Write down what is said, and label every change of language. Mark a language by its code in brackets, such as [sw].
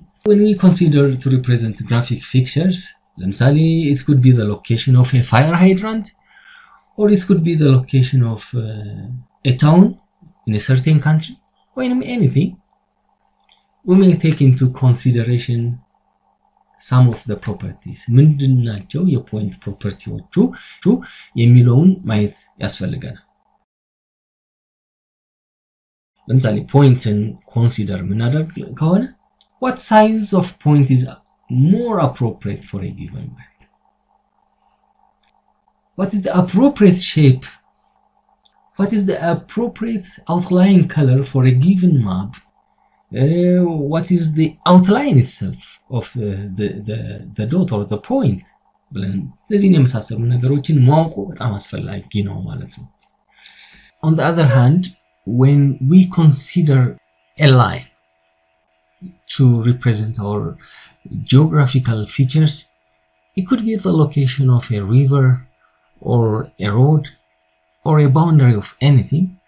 [en] When we consider to represent graphic features, lemsali it could be the location of a fire hydrant, or it could be the location of a town in a certain country, or anything. We may take into consideration some of the properties. [am] ምንድናቸው የpoint propertiesዎቹ የሚለውን ማየት ያስፈልገናል. [en] ለምሳሌ point and consider [am] ምናደርግ ከሆነ [en] what size of point is more appropriate for a given map? What is the appropriate shape? What is the appropriate outline color for a given map? What is the outline itself of the dot or the point? [am] ለዚህ ነው መሳሰሉ ነገሮችን ማውቁ በጣም አስፈላጊ ነው ማለት ነው. [en] On the other hand, when we consider a line to represent our geographical features, it could be the location of a river or a road or a boundary of anything.